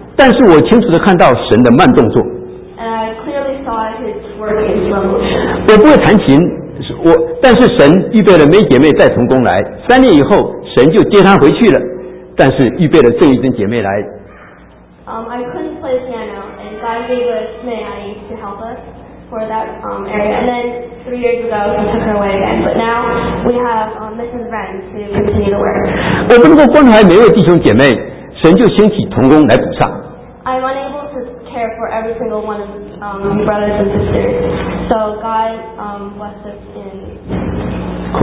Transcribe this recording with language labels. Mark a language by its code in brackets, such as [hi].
[zh] 但是我清楚地看到神的慢动作。 [en] And I clearly saw His work in slow motion. [zh] 我不会弹琴，但是神预备了每姐妹再从工来。三年以后，神就接她回去了。但是预备了郑一珍姐妹来。 [en] I couldn't play piano, and God gave us May Ai to help us for that area. And then 3 years ago, He took her away again. But now we have Mrs. Ren to continue the work. [zh] 我不能够关怀每位弟兄姐妹，神就兴起同工来补上。 [en] I'm unable to care for every single one of brothers and sisters, so God blessed us in.